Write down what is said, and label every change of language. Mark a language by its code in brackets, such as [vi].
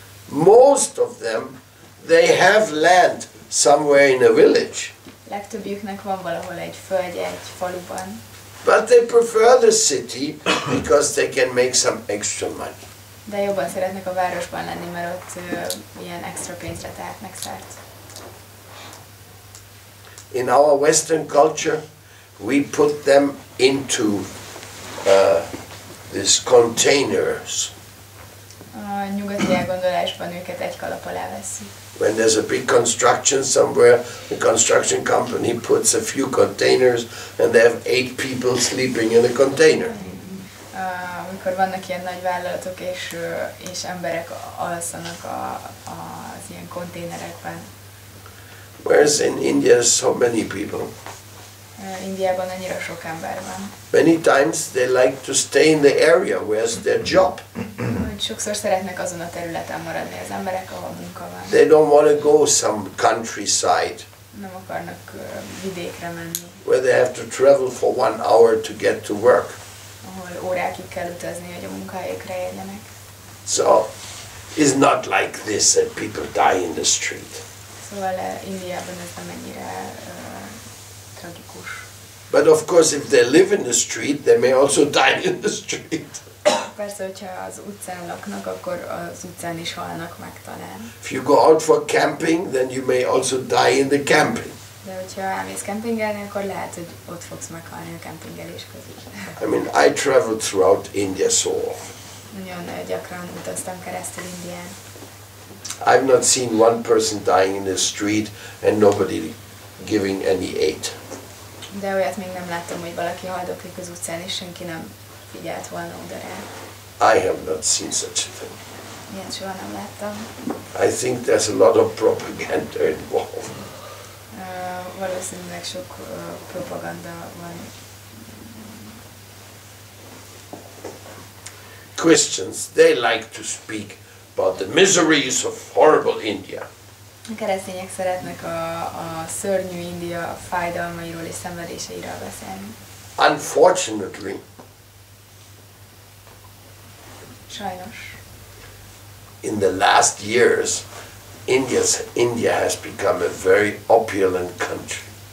[en] Most of them, they have land somewhere in a village. [hu] Legtöbbjüknek van valahol egy földje, egy faluban. [en] But they prefer the city because they can make some extra money. [hu] De jobban szeretnek a városban lenni, mert ott ilyen extra pénzre tehetnek szert. [en] In our Western culture, we put them into these containers. [hu] A nyugati elgondolásban őket egy kalap alá veszi. [en] When there's a big construction somewhere, the construction company puts a few containers and they have 8 people sleeping in a container. [hu] Amikor vannak ilyen nagy vállalatok és emberek alszanak az ilyen konténerekben. [en] Whereas in India so many people. [hu] Indiában annyira sok ember van. [en] Many times they like to stay in the area where is their job. [hu] Sokszor szeretnek azon a területen maradni az emberek, ahol munka van. [en] They don't want to go some countryside. [hu] Nem akarnak vidékre menni. [en] Where they have to travel for 1 hour to get to work. [hu] Ahol órákig kell utazni, hogy a munkahelyekre érjenek. [en] So, it's not like this that people die in the street. [hu] Szóval Indiában ez nem ennyire tragikus. [en] But of course, if they live in the street, they may also die in the street. [hu] Persze, hogyha az utcán laknak, akkor az utcán is halnak meg talán. [en] If you go out for camping, then you may also die in the camping. [hu] De hogyha elmész campingelni, akkor lehet, hogy ott fogsz meghalni a campingelés közül. [en] I mean, I traveled throughout India so often. [hu] Nagyon gyakran utaztam keresztül Indián. [en] I've not seen one person dying in the street and nobody giving any aid. [hu] De olyat még nem láttam, hogy valaki haldoklik az utcán, és senki nem figyelt volna oda rá. [en] I have not seen such a thing. [hu] Ilyet soha nem láttam. [en] I think there's a lot of propaganda involved. [hu] Valószínűleg sok propaganda van. [en] Christians, they like to speak about the miseries of horrible India. [hu] A keresztények szeretnek a szörnyű India fájdalmairól és szenvedéseiről beszélni. [en] Unfortunately. [hu] Sajnos. [en] In the last years, India has become a very opulent country.